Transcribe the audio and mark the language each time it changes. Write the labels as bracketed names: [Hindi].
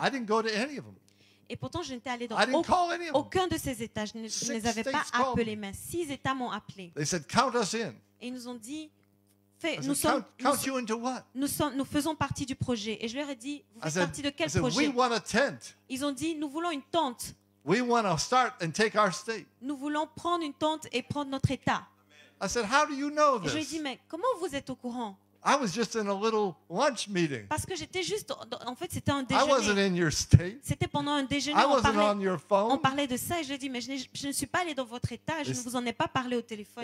[English] I didn't go to any of them. [French] Et pourtant, je n'étais allé dans aucun de ces États. Je ne les avais pas appelés, mais 6 États m'ont appelé. [English] They said, count us in. [French] Et ils nous ont dit, fait, nous sommes, [English] count you into what? [French] Nous faisons partie du projet. Et je leur ai dit, vous faites partie de quel projet? [English] We want a tent. [French] Ils ont dit, nous voulons une tente. [English] We want to start and take our state. [French] Nous voulons prendre une tente et prendre notre état. [English] I said, how do you know this? [French] Je lui ai dit, mais comment vous êtes au courant? [English] I was just in a little lunch meeting. [French] Parce que j'étais juste, en fait, c'était un déjeuner. [English] I wasn't in your state. [French] C'était pendant un déjeuner. [English] I wasn't on your phone. [French] On parlait de ça et je lui ai dit, mais je ne suis pas allé dans votre état. Je ne vous en ai pas parlé au téléphone.